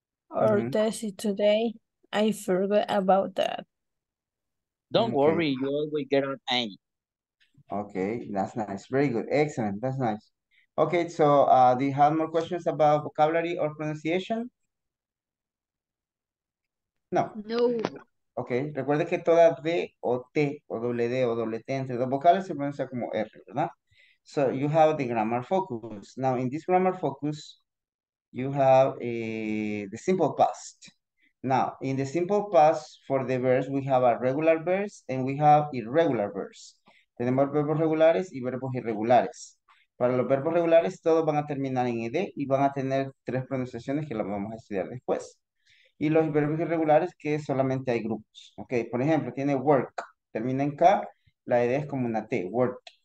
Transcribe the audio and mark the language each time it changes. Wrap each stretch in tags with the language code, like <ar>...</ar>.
<en>Our test is today. I forgot about that. Don't worry, you always get an A. Okay, that's nice. Very good. Excellent. That's nice. Okay, so do you have more questions about vocabulary or pronunciation? No. No.</en> <es>Ok, recuerde que toda D o T o doble T entre dos vocales se pronuncia como R, ¿verdad?</es> <en>So, you have the grammar focus. Now, in this grammar focus, you have the simple past. Now, in the simple past for the verbs, we have a regular verbs and we have irregular verbs.</en> <es>Tenemos verbos regulares y verbos irregulares. Para los verbos regulares, todos van a terminar en ED y van a tener tres pronunciaciones que las vamos a estudiar después. Y los verbos irregulares que solamente hay grupos. Ok, por ejemplo, tiene work. Termina en K, la ED es como una T, work.</es>